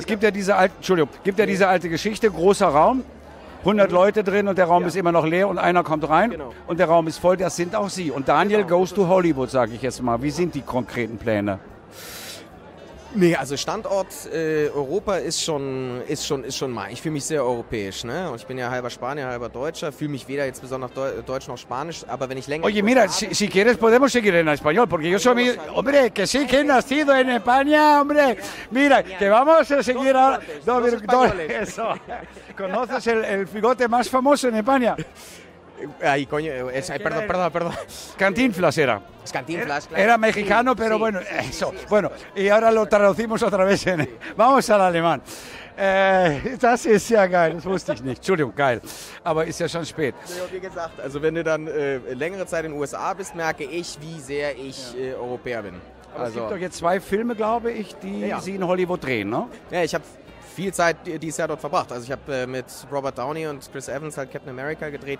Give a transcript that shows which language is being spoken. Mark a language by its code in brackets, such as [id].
[de] Es gibt ja diese alte, diese alte Geschichte, großer Raum, 100 Leute drin und der Raum ist immer noch leer und einer kommt rein und der Raum ist voll, das sind auch Sie. Und [en] Daniel goes to Hollywood, [de] sage ich jetzt mal. Wie sind die konkreten Pläne? Nee, also Standort Europa ist schon mal. Ich fühle mich sehr europäisch, ne? Und ich bin ja halber Spanier, halber Deutscher. Fühle mich weder jetzt besonders deutsch noch spanisch, aber wenn ich länger. [es] Oye, mira, si quieres podemos seguir en español, porque yo soy mi hombre que sí que he nacido en España, hombre. Mira, que vamos a seguir ahora. Eso. ¿Conoces el bigote más famoso en España? Ay, coño, perdón. Cantinflas era. Es Cantinflas, claro. Era mexicano, pero eso. Sí, bueno, y ahora lo traducimos otra vez. Vamos al alemán. [de] Das ist ja geil, das wusste ich nicht. Entschuldigung, geil. Aber ist ja schon spät. Wie gesagt, also wenn du dann längere Zeit in den USA bist, merke ich, wie sehr ich Europäer bin. Aber also, es gibt doch jetzt zwei Filme, glaube ich, die Sie in Hollywood drehen, ne? Ja, ich habe viel Zeit dieses Jahr dort verbracht. Also ich habe mit Robert Downey und Chris Evans halt Captain America gedreht.